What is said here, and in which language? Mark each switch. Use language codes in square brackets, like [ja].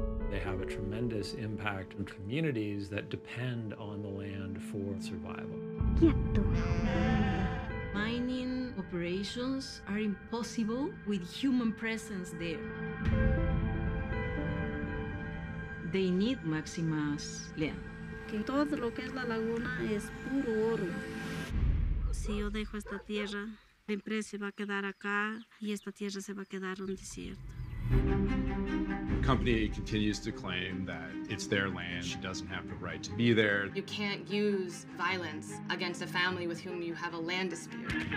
[en] They have a tremendous impact on communities that depend on the land for survival. [es] Quieto. [en] Mining operations are impossible with human presence there. They need Maxima's land. [es] Que todo lo que es la laguna es puro oro. Si yo dejo esta tierra, la empresa va a quedar acá y esta tierra se va a quedar un desierto. [en] The company continues to claim that it's their land. She doesn't have the right to be there. You can't use violence against a family with whom you have a land dispute.